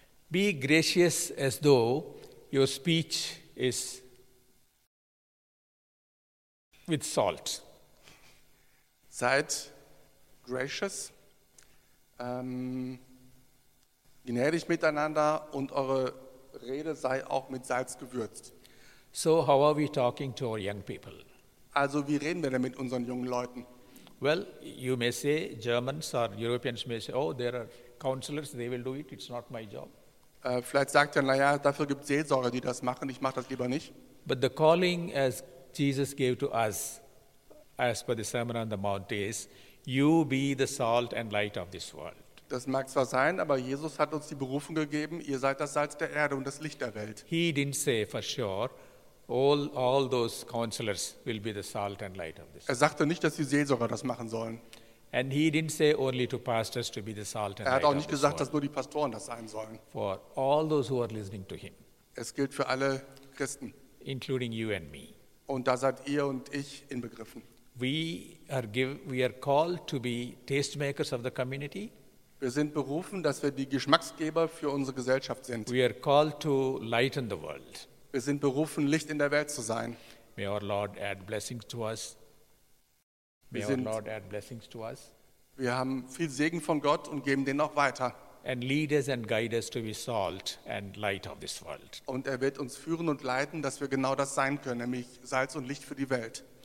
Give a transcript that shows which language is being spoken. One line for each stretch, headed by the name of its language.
English: Be gracious as though your speech is with salt.
German: Seid
English: gracious.
German: Gnädig miteinander und eure Rede sei auch mit Salz gewürzt.
English: So how are we talking to our young people?
German: Also, wie reden wir denn mit unseren jungen Leuten?
English: Well, you may say, Germans or Europeans may say, oh, there are counselors, they will do it, it's not my job.
German: Vielleicht sagt er, naja, dafür gibt es Seelsorger, die das machen, ich mache das lieber nicht.
English: But the calling as Jesus gave to us, as per the Sermon on the Mount is, you be the salt and light of this world.
German: Das mag zwar sein, aber Jesus hat uns die Berufung gegeben, ihr seid das Salz der Erde und das Licht der Welt.
English: He didn't say for sure, all those counselors will be the salt and light of this world.
German: Er sagte nicht, dass die Seelsorger das machen sollen.
English: And he didn't say only to pastors to be the salt and light of this world.
German: Er hat auch nicht gesagt, dass nur die Pastoren das sein sollen.
English: For all those who are listening to him.
German: Es gilt für alle Christen.
English: Including you and me.
German: Und da seid ihr und ich inbegriffen.
English: We are called to be tastemakers of the community.
German: Wir sind berufen, dass wir die Geschmacksgeber für unsere Gesellschaft sind.
English: We are called to lighten the world.
German: Wir sind berufen, Licht in der Welt zu sein.
English: May our Lord add blessings to us.
German: Wir haben viel Segen von Gott und geben den auch weiter.
English: And lead us and guide us to be salt and light of this world.
German: Und er wird uns führen und leiten, dass wir genau das sein können, nämlich Salz und Licht für die Welt.